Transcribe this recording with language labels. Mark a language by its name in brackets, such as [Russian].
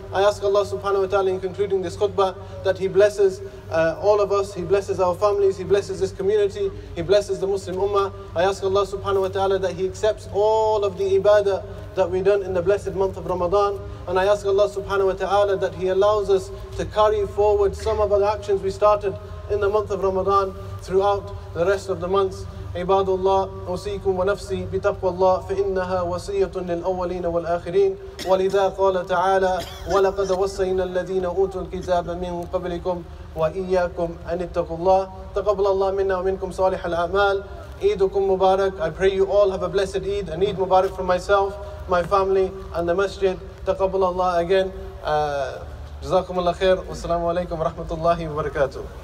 [English] I ask Allah subhanahu wa ta'ala in concluding this khutbah that He blesses all of us, He blesses our families, He blesses this community, He blesses the Muslim Ummah. I ask Allah subhanahu wa ta'ala that He accepts all of the ibadah that we've done in the blessed month of Ramadan. And I ask Allah subhanahu wa ta'ala that He allows us to carry forward some of the actions we started in the month of Ramadan throughout the rest of the months. [Arabic] عباد الله أوصيكم ونفسي بتقوى الله فإنها وصية للأولين والآخرين ولذا قال تعالى ولقد وصينا الذين أوتوا الكتاب من قبلكم وإياكم أن اتقوا الله تقبل الله منا ومنكم صالح الأعمال عيدكم مبارك. [English] I pray you all have a blessed Eid, an Eid Mubarak for myself, my family and the masjid. [Arabic] تقبل الله again. جزاكم الله خير والسلام عليكم ورحمة الله وبركاته.